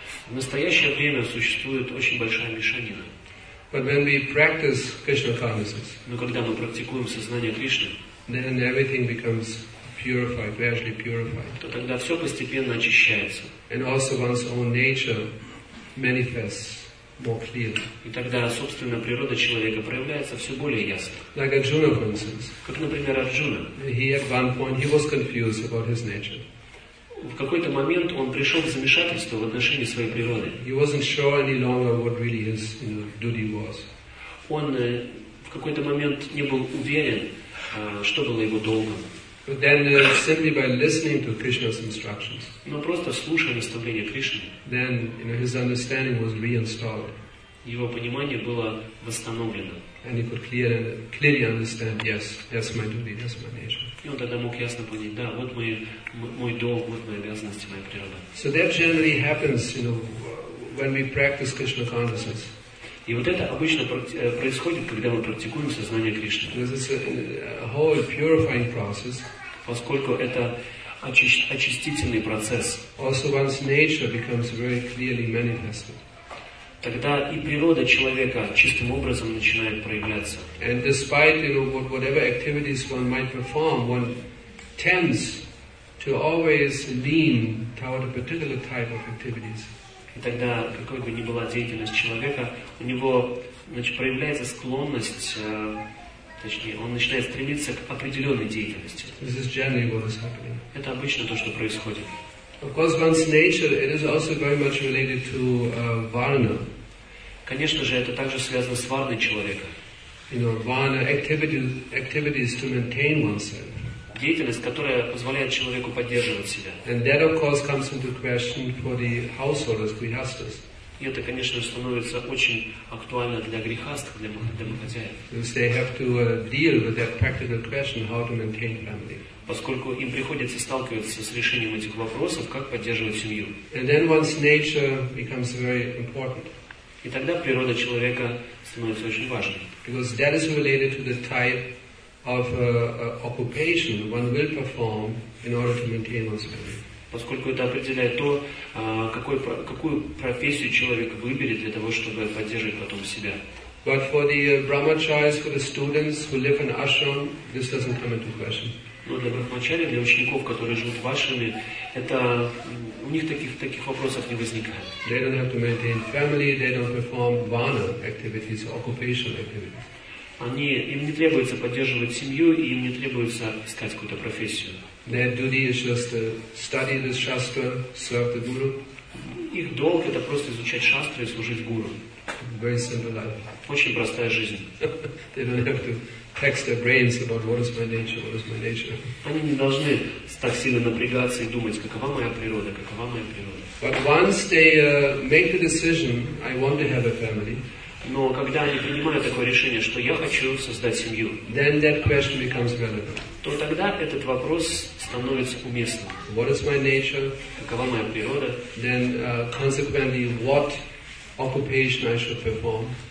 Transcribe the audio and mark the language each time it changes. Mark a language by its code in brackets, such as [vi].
[ru] В настоящее время существует очень большая мешанина. [en] But when we practice Krishna consciousness. [ru] Но когда мы практикуем сознание Кришны. [en] Then everything becomes purified, gradually purified. [ru] То тогда все постепенно очищается. [en] And also one's own nature manifests more clearly. [ru] И тогда собственная природа человека проявляется все более ясно. [en] Like Arjuna, for instance. [ru] Как, например, Арджуна. [en] He at one point he was confused about his nature. [ru] В какой-то момент он пришел в замешательство в отношении своей природы. [en] He wasn't sure any longer what really his, you know, duty was. [ru] Он в какой-то момент не был уверен. Что было его долгом? [en] But then, simply by listening to Krishna's instructions. [ru] Но просто слушая наставления Кришны. [en] Then, you know, his understanding was reinstalled. [ru] Его понимание было восстановлено. [en] And he could clearly understand, yes, that's my duty, that's my nature. [ru] И он тогда мог ясно понять, да, вот мой долг, вот мои обязанности, моя природа. [en] So that generally happens, you know, when we practice Krishna consciousness. [ru] И вот это обычно происходит, когда мы практикуем сознание Кришны. [en] It's a whole purifying process. [ru] Поскольку это очистительный процесс. [en] Also one's nature becomes very clearly manifested. [ru] Тогда и природа человека чистым образом начинает проявляться. [en] And despite, you know, whatever activities one might perform, one tends to always lean toward a particular type of activities. [ru] И тогда, какой бы ни была деятельность человека, у него, значит, проявляется склонность, точнее, он начинает стремиться к определенной деятельности. [en] This is generally what is happening. [ru] Это обычно то, что происходит. [en] Of course, one's nature, it is also very much related to varna. [ru] Конечно же, это также связано с варной человека. [en] You know, varna activities to maintain oneself. [ru] Деятельность, которая позволяет человеку поддерживать себя. [en] And that, of course, comes into question for the householders, grihasthas. [ru] И это, конечно, становится очень актуально для грихаст, для домохозяев. [en] Because they have to deal with that practical question, how to maintain family. [ru] Поскольку им приходится сталкиваться с решением этих вопросов, как поддерживать семью. [en] And then one's nature becomes very important. [ru] И тогда природа человека становится очень важной. [en] Because that is related to the type of occupation one will perform in order to maintain one's family. [ru] Поскольку это определяет то, какую профессию человек выберет для того, чтобы поддерживать потом себя. [en] But for the brahmacharis, for the students who live in ashram, this doesn't come into question. [ru] Но для брахмачари, для учеников, которые живут в ашраме, это у них таких вопросов не возникает. [en] They don't have to maintain family. They don't perform vana activities, occupational activities. [ru] Им не требуется поддерживать семью, и им не требуется искать какую-то профессию. [en] Their duty is just to study the shastra, serve the guru. [ru] Их долг — это просто изучать шастры и служить гуру. [en] Very simple life. [ru] Очень простая жизнь. [en] They don't have to tax their brains about what is my nature, what is my nature. [ru] Они не должны так сильно напрягаться и думать, какова моя природа, какова моя природа. [en] But once they make the decision, I want to have a family. [ru] Но когда они принимают такое решение, что я хочу создать семью, [en] then that question becomes relevant. [ru] То тогда этот вопрос становится уместным. [en] What is my nature? [ru] Какова моя природа? [en] Then, consequently, what occupation I should perform?